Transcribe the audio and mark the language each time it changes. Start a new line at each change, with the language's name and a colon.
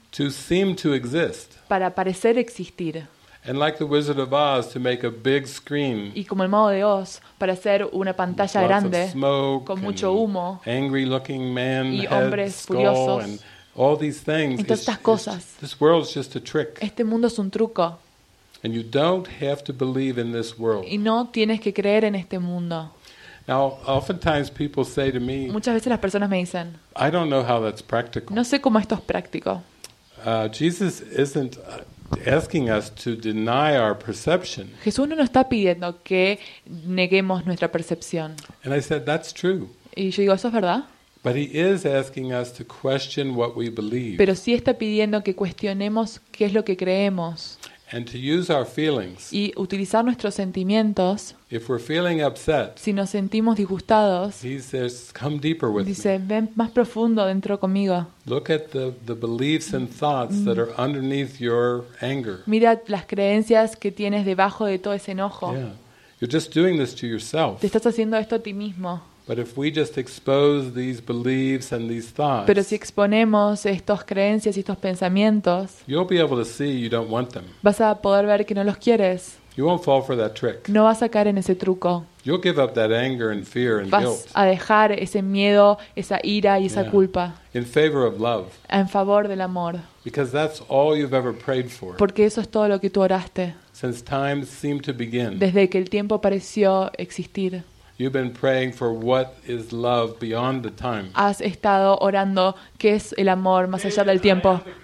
English: To seem to exist.
Spanish: Para parecer existir.
English: And like the Wizard of Oz, to make a big screen.
Spanish: Y como el mago de Oz, para hacer una pantalla grande.
English: Lots of smoke,
Spanish: con mucho humo.
English: Angry looking man
Spanish: y hombres furiosos.
English: And all these things.
Spanish: Entonces, estas cosas.
English: This world is just a trick.
Spanish: Este mundo es un truco.
English: And you don't have to believe in this world.
Spanish: Y no tienes que creer en este mundo.
English: Now, oftentimes people say to me.
Spanish: Muchas veces las personas me dicen.
English: I don't know how that's practical.
Spanish: No sé cómo esto es práctico.
English: Jesus isn't asking us to deny our perception.
Spanish: Jesús no nos está pidiendo que neguemos nuestra percepción.
English: And I said that's true.
Spanish: Y yo digo, eso es verdad.
English: But he is asking us to question what we believe.
Spanish: Pero sí está pidiendo que cuestionemos qué es lo que creemos.
English: And to use our feelings.
Spanish: Y utilizar nuestros sentimientos.
English: If we're feeling upset.
Spanish: Si nos sentimos disgustados.
English: He says, "Come deeper with me."
Spanish: Dice, ven más profundo dentro conmigo.
English: Look at the beliefs and thoughts that are underneath your anger.
Spanish: Mira las creencias que tienes debajo de todo ese enojo.
English: Yeah. You're just doing this to yourself.
Spanish: Te estás haciendo esto a ti mismo.
English: But if we just expose these beliefs and these thoughts,
Spanish: pero si exponemos estas creencias y estos pensamientos,
English: you'll be able to see you don't want them.
Spanish: Vas a poder ver que no los quieres.
English: You won't fall for that trick.
Spanish: No vas a caer en ese truco.
English: You'll give up that anger and fear and
Spanish: vas
English: guilt.
Spanish: Vas a dejar ese miedo, esa ira y esa culpa.
English: In favor of love.
Spanish: En favor del amor.
English: Because that's all you've ever prayed for.
Spanish: Porque eso es todo lo que tú oraste.
English: Since time seemed to begin.
Spanish: Desde que el tiempo pareció existir.
English: You've been praying for what is love beyond the time.
Spanish: Has estado orando qué es el amor más allá del tiempo.